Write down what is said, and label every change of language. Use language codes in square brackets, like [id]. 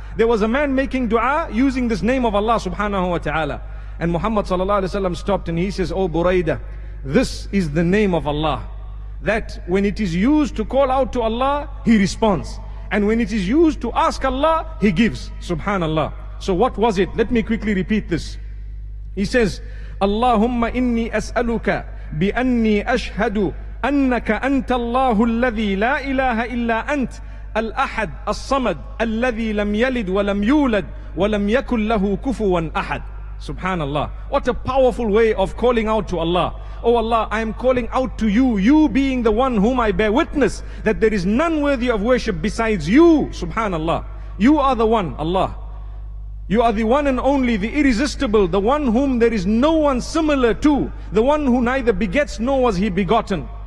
[en] There was a man making dua using this name of Allah subhanahu wa ta'ala. And Muhammad sallallahu alayhi wa sallam stopped and he says, oh Buraida, this is the name of Allah, that when it is used to call out to Allah, he responds. And when it is used to ask Allah, he gives. Subhanallah. So what was it? Let me quickly repeat this. He says, [ar] Allahumma inni as'aluka بأني أشهد أنك أنت الله الذي لا إله إلا أنت الأحد الصمد الذي لم يلد ولم يولد ولم يكن له كفوا أحد. [en] Subhanallah. What a powerful way of calling out to Allah. Oh Allah, I am calling out to you, you being the one whom I bear witness that there is none worthy of worship besides you. Subhanallah. You are the one, Allah. You are the one and only, the irresistible, the one whom there is no one similar to, the one who neither begets nor was he begotten.